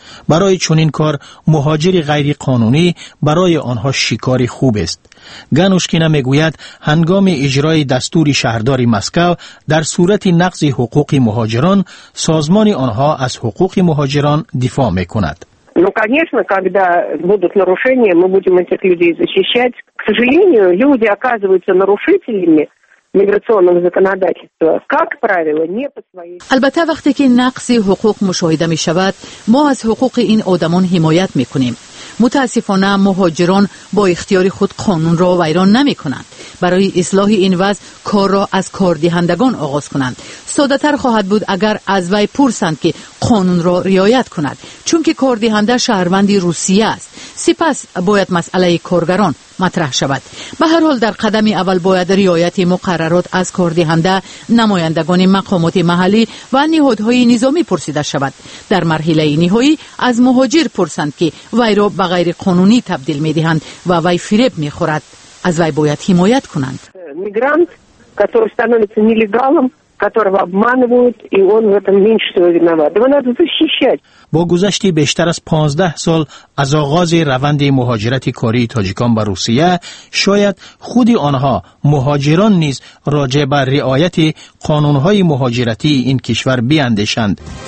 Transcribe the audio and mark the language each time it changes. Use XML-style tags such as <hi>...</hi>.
<fa>برای چنین کار مهاجر غیر قانونی برای آنها شکار خوب است. گانوشکینا می گوید هنگام اجرای دستور شهردار مسکو در صورت نقض حقوق مهاجران سازمان آنها از حقوق مهاجران دفاع می کند.</fa> <ru>Ну, конечно, когда будут нарушения, мы будем этих людей защищать. К сожалению, люди оказываются нарушителями миграционного законодательства. Как правило, не по своей.</ru> <tg>Албатта вақте ки нақз ҳуқуқ мушоҳида мешавад, мо аз ҳуқуқи ин одамон ҳимоят мекунем.</tg> <fa>متاسفانه مهاجران با اختیار خود قانون را ویران نمی کنند. برای اصلاح این وضع کار را از کاردهندگان آغاز کنند. ساده تر خواهد بود اگر از وی پرسند که قانون را رعایت کند، چون که کاردهنده شهروند روسیه است. سپس باید مسئله کارگران مطرح شود. به هر حال در قدم اول باید رعایت مقررات از کاردهنده، نمایندگان مقامات محلی و نهادهای نظامی پرسیده شود. در مرحله نهایی از مهاجر پرسند که وی را به غیر قانونی تبدیل می دهند و وی فریب می خورد. از وی باید حمایت کنند.</fa> <ru>میگرانت который становится нелегалом, которого обманывают, и он в этом меньше виноват. Его надо защищать.</ru> <fa>با گذشت بیشتر از 15 سال از آغاز روند مهاجرت کاری تاجیکان به روسیه، شاید خود آنها مهاجران نیز راجع به رعایت قانون‌های مهاجرتی این کشور بیندیشند.</fa>